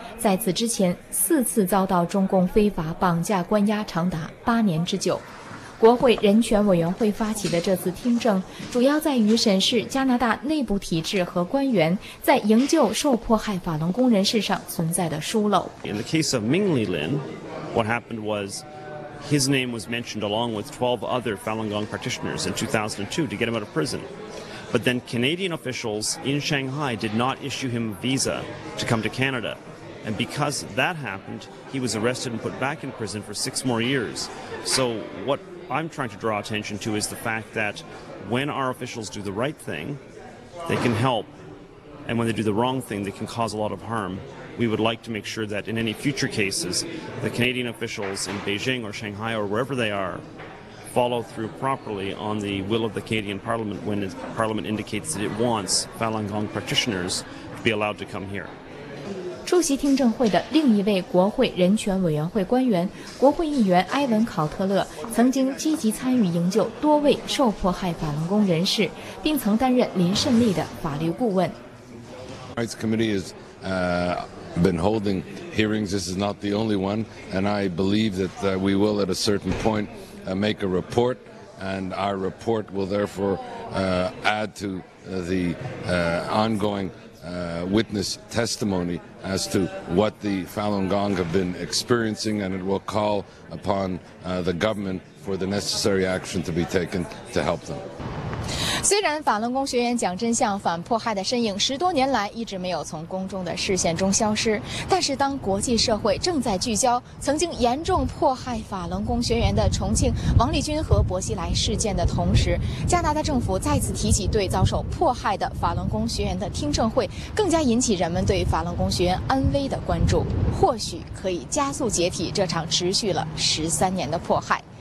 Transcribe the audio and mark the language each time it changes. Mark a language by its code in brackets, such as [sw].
[zh] 在此之前，四次遭到中共非法绑架关押长达八年之久。国会人权委员会发起的这次听证，主要在于审视加拿大内部体制和官员在营救受迫害法轮功人士上存在的疏漏。 [en] In the case of Ming Li Lin, what happened was his name was mentioned along with 12 other Falun Gong practitioners in 2002 to get him out of prison. But then Canadian officials in Shanghai did not issue him a visa to come to Canada. And because that happened, he was arrested and put back in prison for 6 more years. So what I'm trying to draw attention to is the fact that when our officials do the right thing, they can help. And when they do the wrong thing, they can cause a lot of harm. We would like to make sure that in any future cases, the Canadian officials in Beijing or Shanghai or wherever they are, follow through properly on the will of the Canadian Parliament when the Parliament indicates that it wants Falun Gong practitioners to be allowed to come here. [zh] 出席听证会的另一位国会人权委员会官员，国会议员埃文·考特勒曾经积极参与营救多位受迫害法轮功人士，并曾担任林胜利的法律顾问。 [en] Rights Committee has been holding hearings. This is not the only one, and I believe that we will at a certain point make a report, and our report will therefore add to the ongoing. Witness testimony as to what the Falun Gong have been experiencing, and it will call upon the government for the necessary action to be taken to help them. [zh] 虽然法轮功学员蒋真相反迫害的身影十多年来一直没有从公众的视线中消失，但是当国际社会正在聚焦曾经严重迫害法轮功学员的重庆王立军和薄熙来事件的同时，加拿大政府再次提起对遭受迫害的法轮功学员的听证会，更加引起人们对法轮功学员安危的关注，或许可以加速解体这场持续了13年的迫害。